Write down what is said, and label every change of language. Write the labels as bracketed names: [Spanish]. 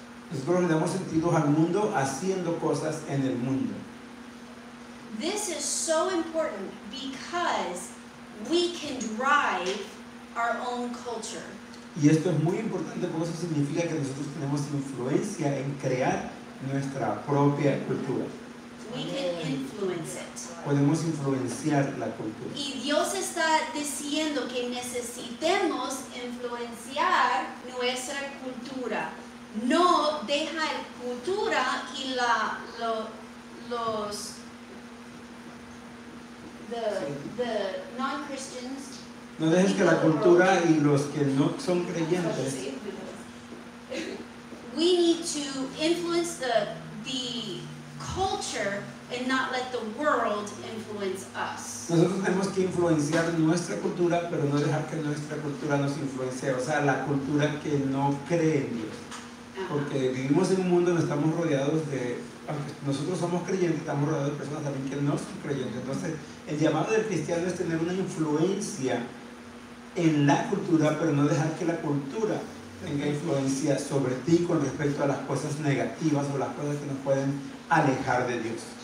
[Spanish] Nosotros le damos sentido al mundo haciendo cosas en el mundo. [English] This is so important because we can drive our own culture. [Spanish] Y esto es muy importante porque eso significa que nosotros tenemos influencia en crear nuestra propia cultura. [English] We can influence it. [Spanish] Podemos influenciar la cultura. Y Dios está diciendo que necesitemos influenciar nuestra cultura. No deja la cultura y la los the [English] non Christians. [Spanish] No dejes que la cultura y los que no son creyentes. [English] We need to influence the culture and not let the world influence us. [Spanish] Nosotros tenemos que influenciar nuestra cultura, pero no dejar que nuestra cultura nos influencie, o sea, la cultura que no cree en Dios. Porque vivimos en un mundo donde estamos rodeados de nosotros somos creyentes, estamos rodeados de personas también que no son creyentes. Entonces, el llamado del cristiano es tener una influencia en la cultura, pero no dejar que la cultura tenga influencia sobre ti con respecto a las cosas negativas o las cosas que nos pueden alejar de Dios.